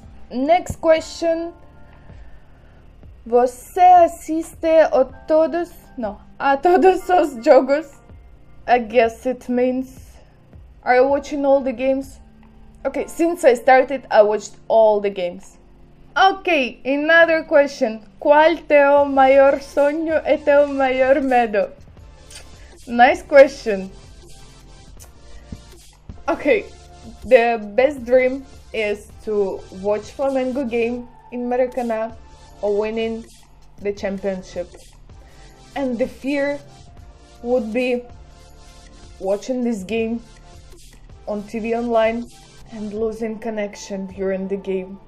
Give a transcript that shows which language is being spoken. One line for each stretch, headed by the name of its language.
English: Next question.
Portuguese: Você assiste a todos os jogos?
English: I guess it means, are you watching all the games? Okay, since I started, I watched all the games. Okay, another question.
Portuguese: Qual teu maior sonho e teu maior medo?
English: Nice question. Okay, the best dream is to watch Flamengo game in Maracanã or winning the championship. And the fear would be watching this game on TV online and losing connection during the game.